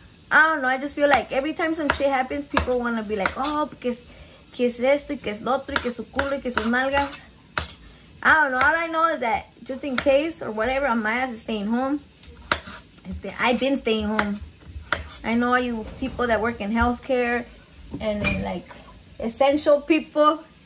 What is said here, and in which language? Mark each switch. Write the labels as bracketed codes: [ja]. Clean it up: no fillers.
[en] I don't know. I just feel like every time some shit happens, people want to be like, oh, because... [es] que es esto y que es lo otro y que su culo y que sus nalgas. [en] I don't know. All I know is that just in case or whatever, Amaya is staying home. I've been staying home. I know all you people that work in healthcare and in, like, essential people.